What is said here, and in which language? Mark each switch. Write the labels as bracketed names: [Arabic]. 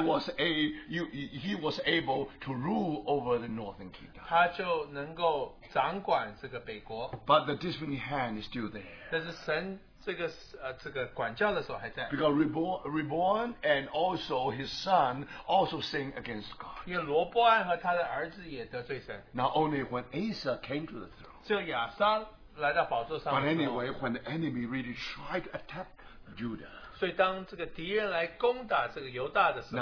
[English] he was able to rule over the northern kingdom. [Chinese] 他就能够掌管这个北国, [English] but the disciplining hand is still there. [Chinese] 但是神这个管教的手还在, [English] because Rehoboam and also his son also sinned against God. [Chinese] 因为罗伯安和他的儿子也得罪神, [English] not only when Asa came to the throne. [Chinese] 只有亚沙来到宝座上的时候, [English] but anyway, when the enemy really tried to attack Judah, [Chinese] 所以当这个敌人来攻打这个犹大的时候,